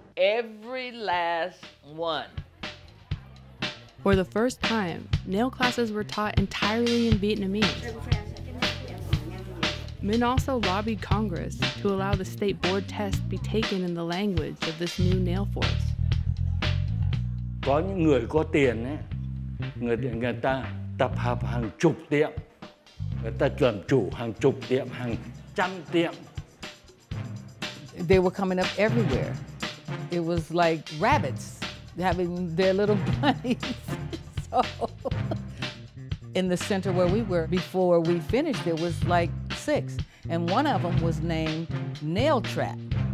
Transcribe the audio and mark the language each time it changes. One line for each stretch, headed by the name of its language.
English: Every last one. For the first time, nail classes were taught entirely in Vietnamese. Minh also lobbied Congress to allow the state board test be taken in the language of this new nail force.
Vietnamese: Có những người có tiền ấy, người ta tập hợp hàng chục tiệm, người ta chuẩn chủ hàng chục tiệm, hàng trăm tiệm.
English: They were coming up everywhere. It was like rabbits having their little bunnies. So in the center where we were before we finished, there was like six, and one of them was named Nail Trap.